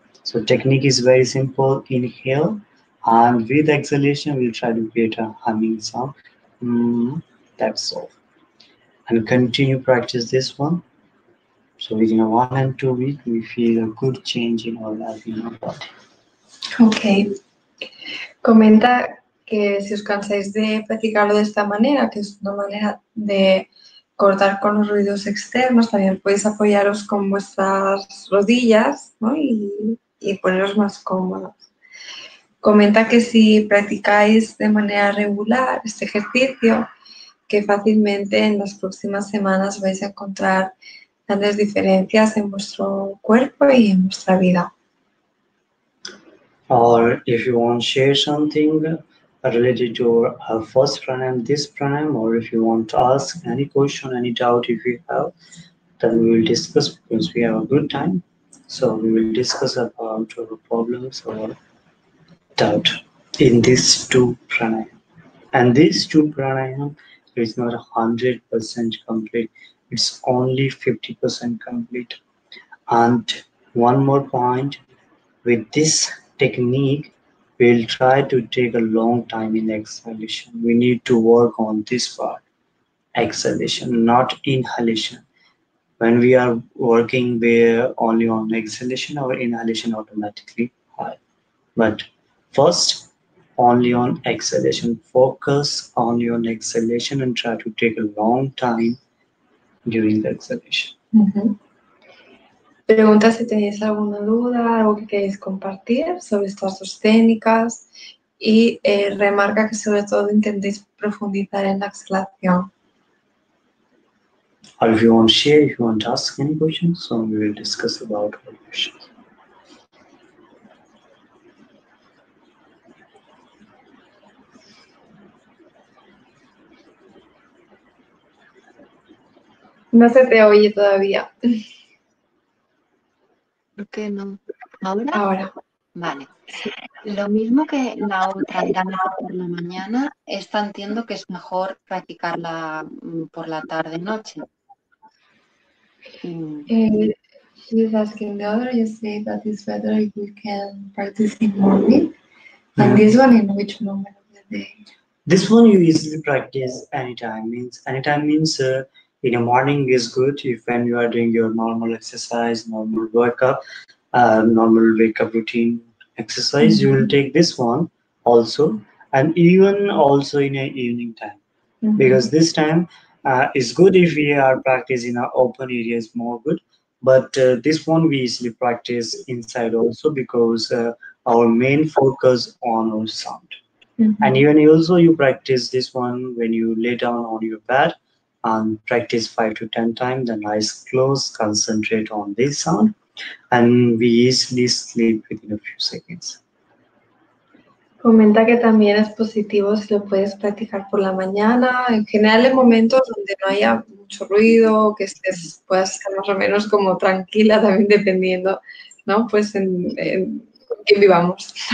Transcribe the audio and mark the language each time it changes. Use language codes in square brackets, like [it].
[en] So technique is very simple. Inhale. And with exhalation, we'll try to create a humming sound. That's all. And continue practice this one. So within 1 and 2 weeks, we feel a good change in our life, in our body. Okay. [es] Comenta que si os cansáis de practicarlo de esta manera, que es una manera de cortar con los ruidos externos, también podéis apoyaros con vuestras rodillas, ¿no? y poneros más cómodos. Comenta que si practicáis de manera regular este ejercicio, que fácilmente en las próximas semanas vais a encontrar grandes diferencias en vuestro cuerpo y en vuestra vida. [en] Or if you want to share something related to our first pranayama, this pranayama, or if you want to ask any question, any doubt if you have, then we will discuss because we have a good time. So we will discuss about our problems or doubt in these two pranayama. And these two pranayama is not 100% complete. It's only 50% complete. And one more point with this technique, we'll try to take a long time in exhalation. We need to work on this part, exhalation, not inhalation. When we are working there only on exhalation, our inhalation automatically high. But first, only on exhalation. Focus on your exhalation and try to take a long time during the exhalation. [es] Pregunta si tenéis alguna duda, algo que queréis compartir sobre estas dos técnicas y remarca que sobre todo intentéis profundizar en la exhalación. [en] Or if you want to share, if you want to ask any questions, so we will discuss about our questions. [es] No se te oye todavía. ¿Por qué no? ¿Ahora? Ahora. Vale. Lo mismo que la otra era mejor por la mañana, esta entiendo que es mejor practicarla por la tarde-noche. [en] She's asking the other, you say that it's better if you can practice in the morning. And this one, in which moment of the day? This one you easily practice anytime. Means anytime means in the morning is good if when you are doing your normal exercise, normal workup, normal wake up routine exercise, you will take this one also, and even also in an evening time, because this time is good if we are practicing our open areas, more good. But this one we easily practice inside also, because our main focus on our sound. And even also you practice this one when you lay down on your bed and practice 5 to 10 times, then eyes close, concentrate on this sound, and we easily sleep within a few seconds. [es] Comenta que también es positivo si lo puedes practicar por la mañana, en general en momentos donde no haya mucho ruido, que estés, puedas estar más o menos como tranquila también dependiendo, ¿no? Pues en que vivamos.